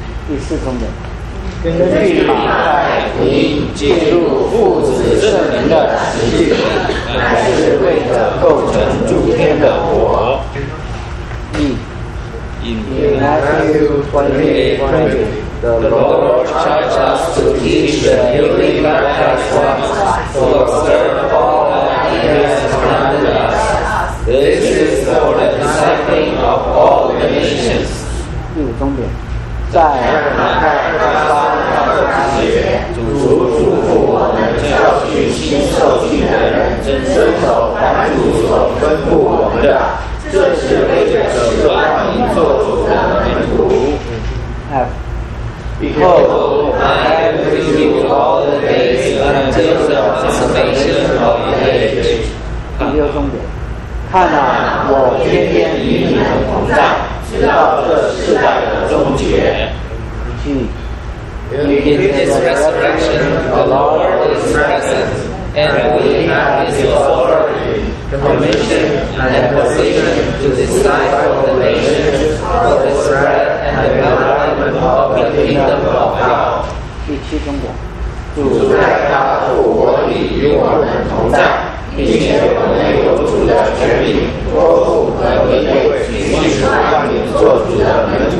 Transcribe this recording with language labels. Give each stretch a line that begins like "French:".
Chinese: 第四重点，根据马太福音进入父子圣灵的实际，乃是为了构成诸天的国。
English: In Matthew 28:20, the Lord charged us to teach the newly baptized ones to observe all that He has commanded us. This is for the discipling of all the nations.
Chinese: 第五重点，在马太28:20节，主嘱咐我们要去新受洗的人遵守凡主所吩咐我们的，这是为了使万民做主的门徒。
English: Behold, I am with you all the days until the consummation of the age.
Chinese: 第六重点，看啊，我天天与你们同在，直到这世代的终结。
English: In His resurrection, the Lord is present, and we have His authority, permission, and position to disciple the nations for the spread and development of the kingdom of God.
Chinese: 第七重点，主在他复活里与我们同在，并且我们有主的权柄，托付和威位，去使万民做主的门